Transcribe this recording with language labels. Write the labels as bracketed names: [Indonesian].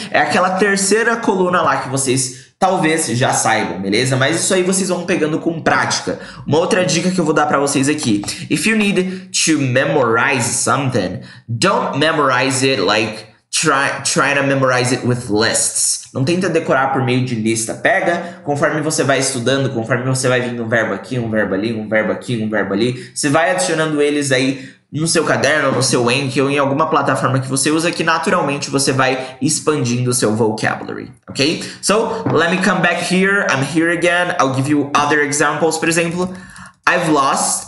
[Portuguese] É aquela terceira coluna lá que vocês talvez já saibam, beleza? Mas isso aí vocês vão pegando com prática. Uma outra dica que eu vou dar pra vocês aqui. [English] If you need to memorize something, don't memorize it like trying to memorize it with lists. [Portuguese] Não tenta decorar por meio de lista. Pega, conforme você vai estudando, conforme você vai vindo um verbo aqui, um verbo ali, um verbo aqui, um verbo ali, você vai adicionando eles aí no seu caderno, no seu Anki ou em alguma plataforma que você usa, que naturalmente você vai expandindo o seu vocabulary, ok? [English] So, let me come back here, I'm here again, I'll give you other examples, [Portuguese] por exemplo. [English] I've lost...